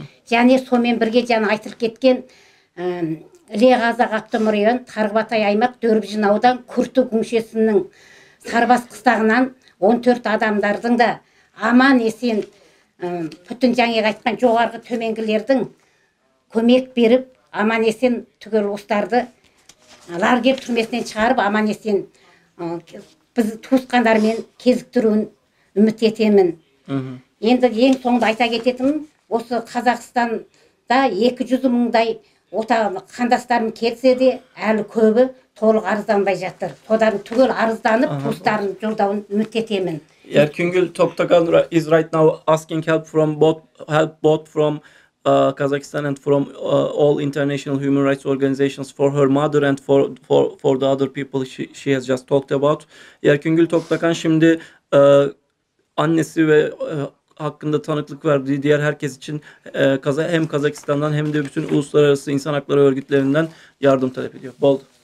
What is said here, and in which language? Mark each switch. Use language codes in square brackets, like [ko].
[kk] Және сонымен бірге жаңа айтылып кеткен Іле Қазақ автономды район Тарғыбатай аймақ Дөріп жинаудан Күрті күншесінің сарбас қыстағынан 14 адамдардың да аман есен бүтін жаңағы айтқан жоғарғы төменгілердің көмек беріп аман есен түгел осыларды лагерь түрмесінен шығарып аман есен біз туысқандармен кезіктіруін үміт етемін. Енді ең соңында айта кететінім, осы Қазақстанда 200 мыңдай қандастарым келсе де әлі көбі толық арызданбай жатыр. Содан түгел арызданып туыстарын жолдауын үміт етемін. [en] Еркінгүл Токтоганова is right now asking help both from Kazakhstan and from all international human rights organizations for her mother and for the other people she has just talked about. [tr] Yerkingül Toktakan şimdi annesi ve hakkında tanıklık verdiği diğer herkes için hem Kazakistan'dan hem de bütün uluslararası insan hakları örgütlerinden yardım talep ediyor. Bold.